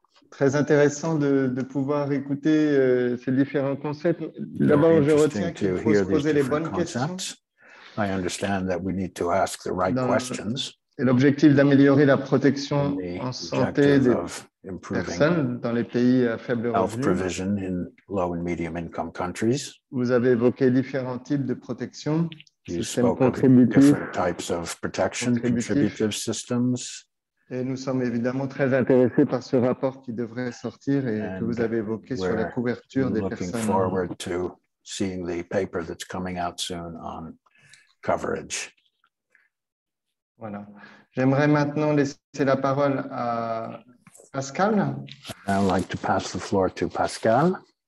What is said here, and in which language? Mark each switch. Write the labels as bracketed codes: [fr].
[fr] Très intéressant de pouvoir écouter ces différents concepts. D'abord, je retiens qu'il faut se poser les bonnes questions. [en] I understand that we need to ask the right questions. [fr] Et l'objectif d'améliorer la protection en santé des personnes dans les pays à faible revenu. [en] Health provision in low and medium income countries. [fr] Vous avez évoqué différents types de protection. [en] You spoke of different types of protection, contributive systems. [fr] Et nous sommes évidemment très intéressés par ce rapport qui devrait sortir et que vous avez évoqué sur la couverture des personnes. [en] Looking forward to seeing the paper that's coming out soon on coverage. [fr] Voilà. J'aimerais maintenant laisser la parole à Pascal. [en] I'd like to pass the floor to Pascal.